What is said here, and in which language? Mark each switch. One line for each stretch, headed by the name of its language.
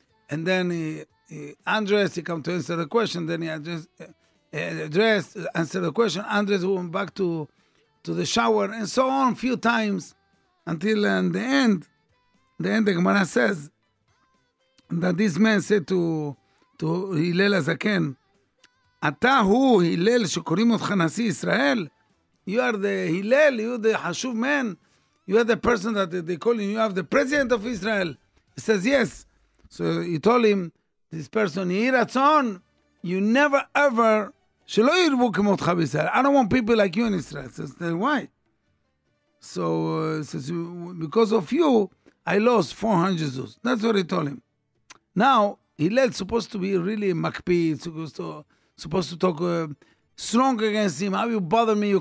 English: And then he undressed, he come to answer the question, then he addressed. Answer the question. Andres went back to the shower and so on a few times until in the end the Gemara says that this man said to Hillel HaZaken,
Hebrew: אתה הוא הלל שקוראים אותך נשיא ישראל?
English: You are the הלל, you are the חשוב man. You are the person that they call you, you are the president of Israel. He says yes. So he told him, this person,
Hebrew: יהי רצון,
English: you never ever,
Hebrew: שלא ירבו כמותך בישראל.
English: I don't want people like you in Israel. He says, why? So says, because of you, I lost 400 Jews. That's what he told him. Now, הלל supposed to be really makpid, supposed to talk strong against him. How you bother me?